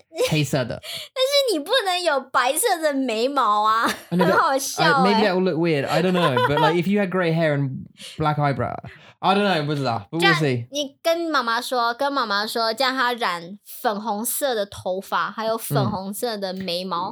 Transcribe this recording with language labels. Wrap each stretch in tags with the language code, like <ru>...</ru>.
<zh>黑色的，但是你不能有白色的眉毛啊，很好笑欸。</zh> <en>Maybe that will look weird. I don't know. But like, if you had grey hair and black eyebrow, I don't know.</en> <zh>不知道,</zh> <en>but we'll see.</en> <zh>你跟妈妈说，叫她染粉红色的头发，还有粉红色的眉毛。</zh>